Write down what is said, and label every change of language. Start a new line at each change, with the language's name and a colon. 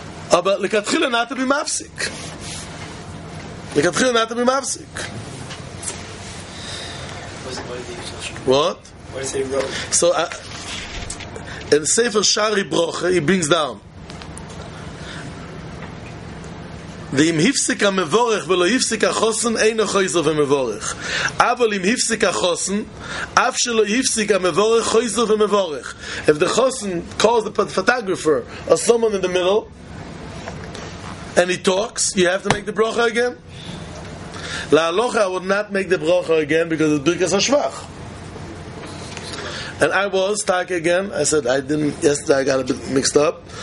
English: But like atchila, not to be mafsik. Like atchila, not to be mafsik. What? So in Sefer Shari Broche, he brings down.
Hebrew: ואם הפסיק המבורך ולא הפסיק החוסן, אינו חויזר ומבורך. אבל אם הפסיק החוסן, אף שלא הפסיק המבורך, חויזר ומבורך.
English: If the חוסן calls the photographer or someone in the middle, and he talks, you have to make the brocha again. להלוכה, I would not make the brocha again because it's ברכס השבח. And I was stuck again. I said, I didn't, yesterday I got a bit mixed up.